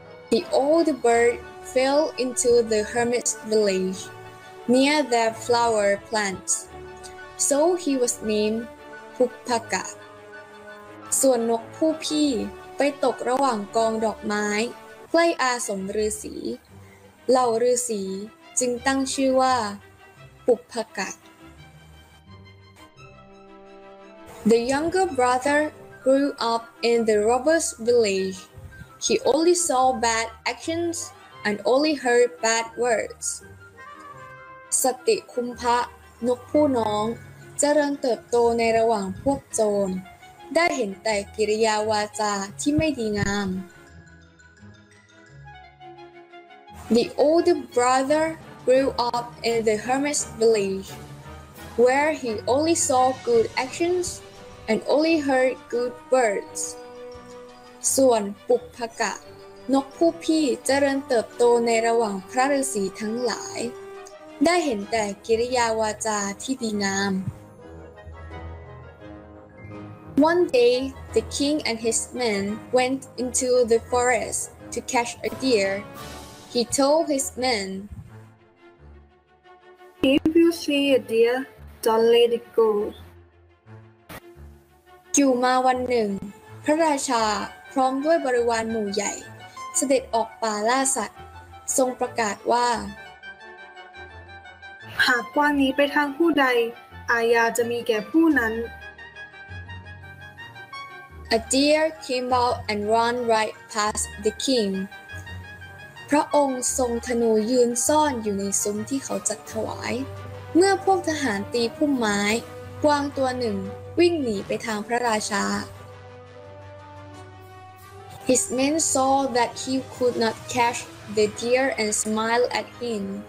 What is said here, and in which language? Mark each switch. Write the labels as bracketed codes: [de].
[en] The old bird fell into the hermit's village near their flower plants so he was named [th] ปผกะส่วนนกผู้พี่ไปตกระหว่างกองดอกไม้ใกล้อาสมฤาษีเหล่าฤาษีจึงตั้งชื่อว่าปผกะ [en] The younger brother grew up in the robber's village. He only saw bad actions and only heard bad words. [th] สติคุมภะนกผู้น้องเจริญเติบโตในระหว่างพวกโจรได้เห็นแต่กิริยาวาจาที่ไม่ดีงาม [en] The older brother grew up in the hermit's village where he only saw good actions and only heard good words [th] ส่วนปผกะนกผู้พี่เจริญเติบโตในระหว่างพระฤาษีทั้งหลายได้เห็นแต่กิริยาวาจาที่ดีงาม [en] One day, the king and his men went into the forest to catch a deer. He told his men, If you see a deer, don't let it go. [th] อยู่มาวันหนึ่งพระราชาพร้อมด้วยบริวารหมู่ใหญ่เสด็จออกป่าล่าสัตว์ทรงประกาศว่า หากกว้างนี้ไปทางผู้ใดอาญาจะมีแก่ผู้นั้น [en] A deer came out and ran right past the king. [th] พระองค์ทรงธนูยืนซ่อนอยู่ในซุ้มที่เขาจัดถวายเมื่อพวกทหารตีพุ่มไม้กวางตัวหนึ่งวิ่งหนีไปทางพระราชา [en] His men saw that he could not catch the deer and smiled at him.